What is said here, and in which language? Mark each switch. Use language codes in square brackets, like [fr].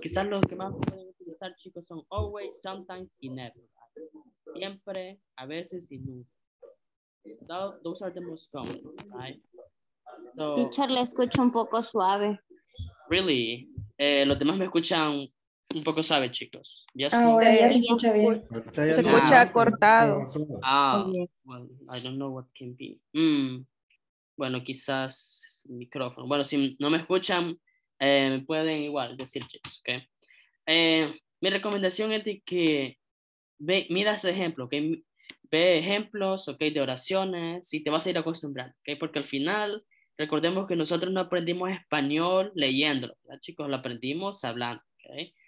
[es] Quizás los que más pueden utilizar, chicos, son always, sometimes y never. Siempre, a veces y nunca. [en] Those are the most common, right? So, teacher, [es] le escucho un poco suave. [en] Really? [es] Los demás me escuchan un poco suave, chicos. Yes, ahora ya se escucha bien. Se escucha cortado. [en] Ah, well, I don't know what can be. [es] Bueno, quizás es el micrófono. Bueno, si no me escuchan, me pueden igual decir, chicos, ¿ok? Mi recomendación es de que mira ese ejemplo, ¿ok? Ve ejemplos, ok, de oraciones y te vas a ir acostumbrando, ok, porque al final recordemos que nosotros no aprendimos español leyéndolo, ¿verdad, chicos? Lo aprendimos hablando, ok.